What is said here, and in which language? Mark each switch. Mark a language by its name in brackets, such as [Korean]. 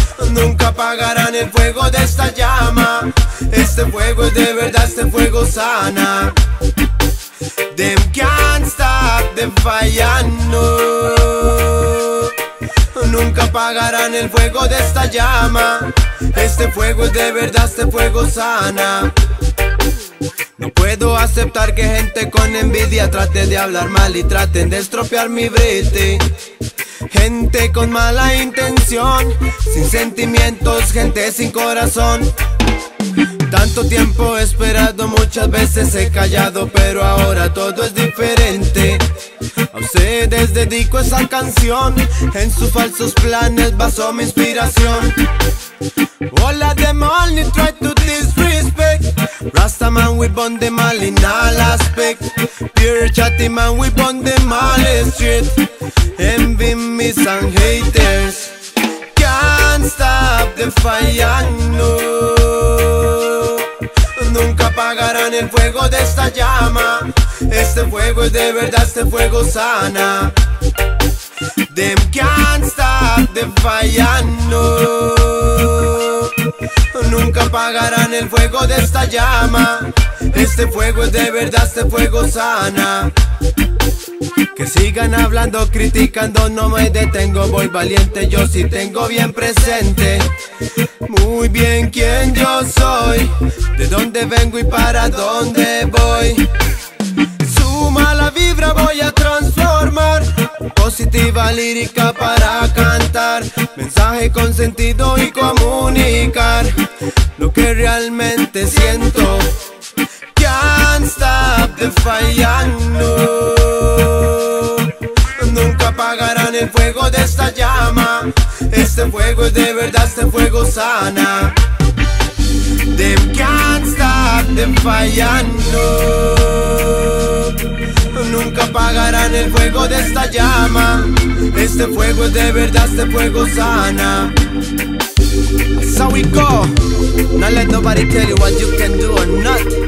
[Spanish] Nunca apagarán el fuego de esta llama. Este fuego es de verdad, este fuego sana. [English] Them can't stop the fire, no. [Spanish] Nunca apagarán el fuego de esta llama. Este fuego es de verdad, este fuego sana. No puedo aceptar que gente con envidia trate de hablar mal y traten de estropear mi brete. Gente con mala intención, sin sentimientos, gente sin corazón. Tanto tiempo he esperado, muchas veces he callado, pero ahora todo es diferente. A ustedes dedico esa canción, en sus falsos planes basó mi inspiración. [English] Hola them all, you try to disrespect. Rasta man, we burn them all in all aspects. Pure chatty man, we burn them all straight. Envy me some haters. Can't stop the fire, no. [Spanish] Nunca apagarán el fuego de esta llama. Este fuego es de verdad, este fuego sana. [English] Them can't stop the fire, no. [Spanish] Nunca apagarán el fuego de esta llama. Este fuego es de verdad, este fuego sana. Que sigan hablando, criticando, no me detengo. Voy valiente, yo sí tengo bien presente muy bien quién yo soy, de dónde vengo y para dónde voy. Su mala vibra voy a transformar, positiva lírica para cantar. Mensaje con sentido y comunicar lo que realmente siento. [English] Can't stop the fire, no. [Spanish] Nunca apagarán el fuego de esta llama. Este fuego es de verdad, este fuego sana. [English] Them can't stop the fire, no. [Spanish] Nunca apagarán el fuego de esta llama. Este fuego es de verdad, este fuego sana. [English] So we go. Now let nobody tell you what you can do or not.